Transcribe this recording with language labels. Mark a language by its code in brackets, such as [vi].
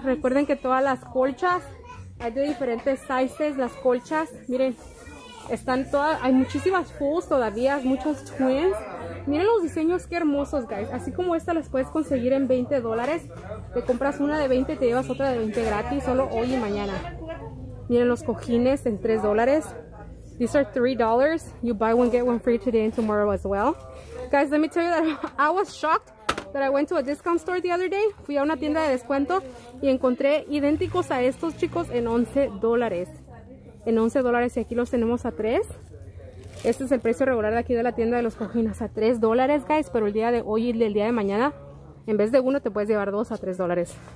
[es] Recuerden que todas las colchas, hay de diferentes sizes las colchas. Miren. Están todas, hay muchísimas fulls todavía, muchos twins. Miren los diseños, qué hermosos, guys. Así como esta las puedes conseguir en $20. Te compras una de 20, te llevas otra de 20 gratis, solo hoy y mañana. Miren los cojines en $3. [en] These are $3. You buy one, get one free today and tomorrow as well. Guys, let me tell you that I was shocked that I went to a discount store the other day. [es] Fui a una tienda de descuento y encontré idénticos a estos, chicos, en $11. En $11 y aquí los tenemos a 3. Este es el precio regular de aquí de la tienda de los cojines, a $3, guys. Pero el día de hoy y el día de mañana, en vez de uno, te puedes llevar dos a $3.